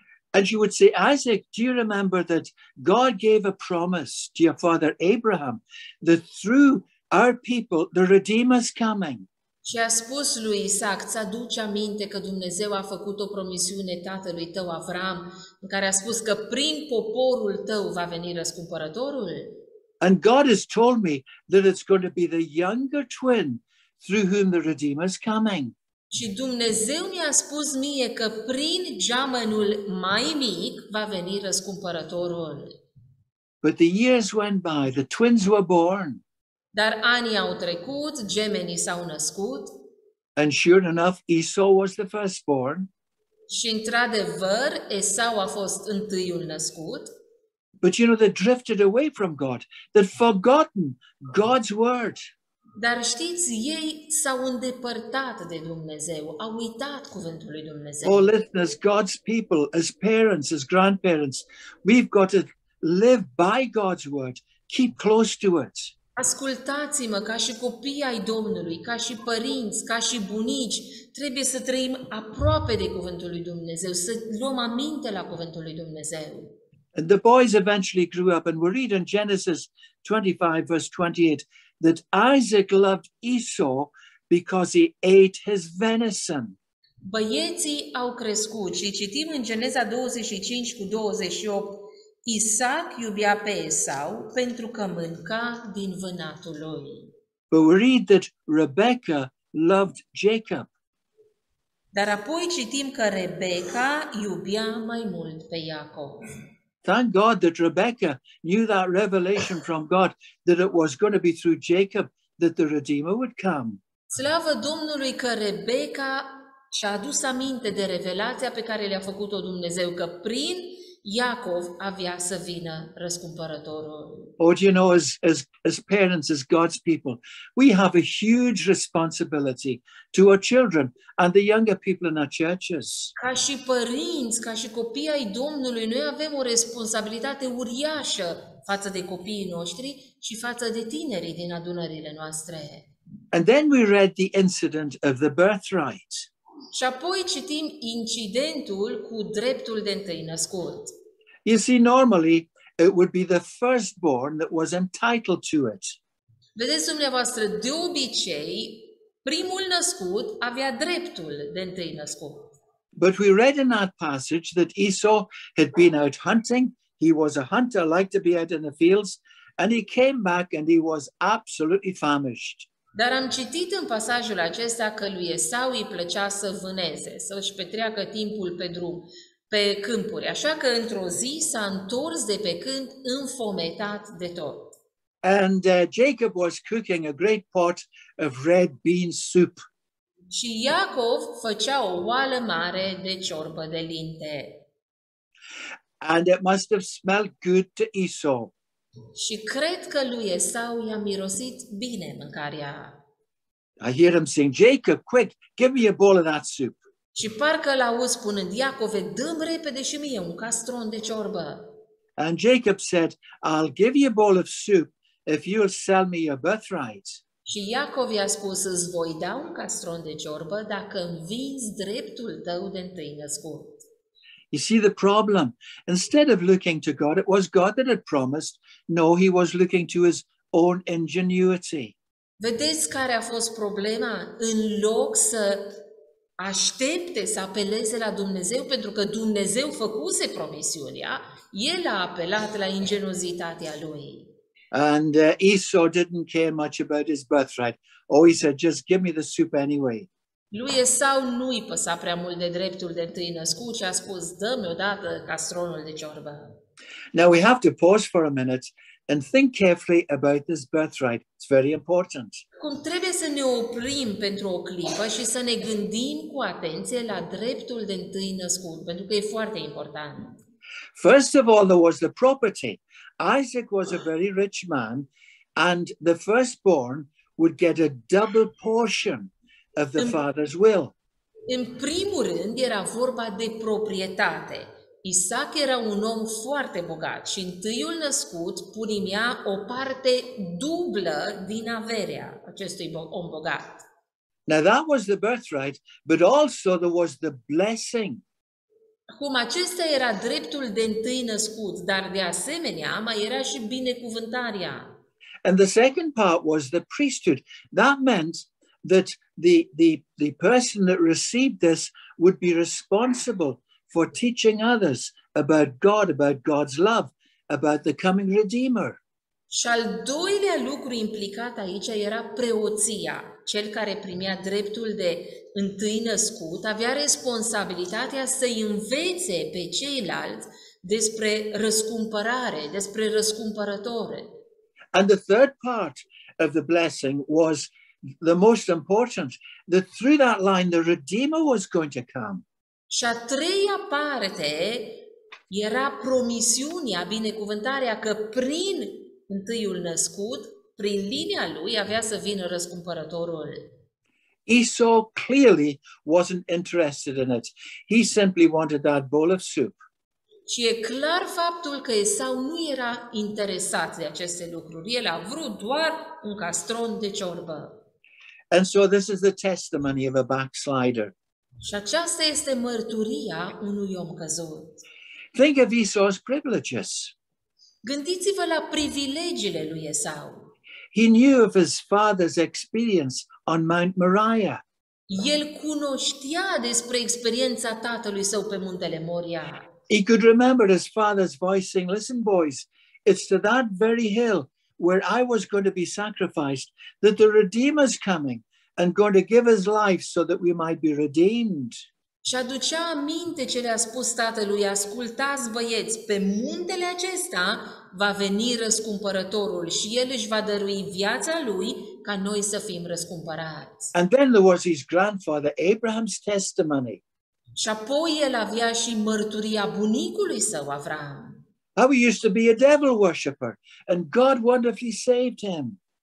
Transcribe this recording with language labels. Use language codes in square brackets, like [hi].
[en] And she would say, "Isaac, do you remember that God gave a promise to your father Abraham that through our people the Redeemer's coming?" [ro] Și a spus lui Isaac: "Ți-aduci aminte că Dumnezeu a făcut o promisiune tatălui tău Avraam, în care a spus că prin poporul tău va veni răscumpărătorul?" [en] And God has told me that it's going to be the younger twin through whom the Redeemer's coming. [ro] Și Dumnezeu mi-a spus mie că prin geamănul mai mic va veni răscumpărătorul. [en] But the years went by, the twins were born. [ro] Dar anii au trecut, gemenii s-au născut. [en] And sure enough, Esau was the firstborn. [ro] Și într-adevăr, Esau a fost întâiul născut. [en] But you know, they drifted away from God, they'd forgotten God's word. [ro] Dar știți, ei s-au îndepărtat de Dumnezeu, au uitat cuvântul lui Dumnezeu. [en] Oh, listeners, God's people, as parents, as grandparents, we've got to live by God's word, keep close to it. [ro] Ascultați-mă, ca și copii ai Domnului, ca și părinți, ca și bunici, trebuie să trăim aproape de cuvântul lui Dumnezeu, să luăm aminte la cuvântul lui Dumnezeu. [en] And the boys eventually grew up, and we read in Genesis 25, verse 28, that Isaac loved Esau because he ate his venison. [ro] Băieții au crescut și citim în Geneza 25 cu 28, Isaac iubea pe Esau pentru că mânca din vânatul lui. [en] But we read that Rebecca loved Jacob. [ro] Dar apoi citim că Rebecca iubea mai mult pe Iacob. [en] Thank God that Rebecca knew that revelation from God that it was going to be through Jacob that the Redeemer would come. [ro] Slavă Domnului că Rebecca și-a adus aminte de revelația pe care le-a făcut-o Dumnezeu, că prin Iacov avea să vină răscumpărătorul. [en] Oh, do you know, as parents, as God's people, we have a huge responsibility to our children and the younger people in our churches. [ro] Ca și părinți, ca și copii ai Domnului, noi avem o responsabilitate uriașă față de copiii noștri și față de tinerii din adunările noastre. [en] And then we read the incident of the birthright. [ro] Și apoi citim incidentul cu dreptul de întâi născut. [en] You see, normally it would be the firstborn that was entitled to it. [ro] Vedeți dumneavoastră, de obicei, primul născut avea dreptul de întâi născut. [en] But we read in that passage that Esau had been out hunting. He was a hunter, liked to be out in the fields, and he came back and he was absolutely famished. [ro] Dar am citit în pasajul acesta că lui Esau îi plăcea să vâneze, să-și petreacă timpul pe drum, pe câmpuri. Așa că într-o zi s-a întors de pe câmp înfometat de tot. [en] And Jacob was cooking a great pot of red bean soup. [ro] Și Iacov făcea o oală mare de ciorbă de linte. [en] And it must have smelled good to Esau. [ro] Și cred că lui Esau i-a mirosit bine mâncarea. [en] I hear him saying, Jacob, quick, give me a bowl of that soup. [ro] Și parcă l-auzi spunând, Iacove, dă-mi repede și mie un castron de ciorbă. [en] And Jacob said, I'll give you a bowl of soup if you'll sell me your birthright. [ro] Și Iacov i-a spus, îți voi da un castron de ciorbă dacă îmi vinzi dreptul tău de întâi născut. [en] You see the problem. Instead of looking to God, it was God that had promised. No, he was looking to his own ingenuity. [ro] Vedeți care a fost problema? În loc să aștepte să apeleze la Dumnezeu, pentru că Dumnezeu făcuse promisiunea, el a apelat la ingenuitatea lui. [en] And Esau didn't care much about his birthright. Oh, he said, just give me the soup anyway. [ro] Lui Esau nu-i păsa prea mult de dreptul de întâi născut și a spus, dă-mi odată castronul de ciorbă. [en] Now we have to pause for a minute and think carefully about this birthright. It's very important. [ro] Cum trebuie să ne oprim pentru o clipă și să ne gândim cu atenție la dreptul de întâi născut, pentru că e foarte important. [en] First of all, there was the property. Isaac was a very rich man and the firstborn would get a double portion of the father's will. [ro] În primul rând era vorba de proprietate. Isaac era un om foarte bogat și întâiul născut primea o parte dublă din averea acestui om bogat. [en] Now that was the birthright, but also there was the blessing. [ro] Cum acesta era dreptul de întâi născut, dar de asemenea mai era și binecuvântarea. [en] And the second part was the priesthood. That meant that the person that received this would be responsible for teaching others about God, about God's love, about the coming Redeemer. [ro] Și al doilea lucru implicat aici era preoția. Cel care primea dreptul de întâi născut avea responsabilitatea să învețe pe ceilalți despre răscumpărare, despre răscumpărătoare. [en] And the third part of the blessing was the most important, that through that line the Redeemer was going to come. [ro] Și a treia parte era promisiunea, binecuvântarea, că prin întâiul născut, prin linia lui, avea să vină răscumpărătorul. [en] Esau clearly wasn't interested in it. He simply wanted that bowl of soup. [ro] Și e clar faptul că Esau nu era interesat de aceste lucruri. El a vrut doar un castron de ciorbă. [en] And so this is the testimony of a backslider. [ro] Și aceasta este mărturia unui om căzut. [en] Think of Esau's privileges. [ro] Gândiți-vă la privilegiile lui Esau. [en] He knew of his father's experience on Mount Moriah. [ro] El cunoștea despre experiența tatălui său pe muntele Moria. [en] He could remember his father's voice saying, "Listen, boys, it's to that very hill where I was going to be sacrificed that the Redeemer's coming and going to give his life so that we might be redeemed." [ro] Și aducea aminte ce le-a spus tatălui, ascultați băieți, pe muntele acesta va veni răscumpărătorul și el își va dărui viața lui ca noi să fim răscumpărați. [en] And then there was his grandfather Abraham's testimony. [ro] Și apoi el avea și mărturia bunicului său, Avraam. [en] How he used to be a devil worshipper and God wonderfully saved him.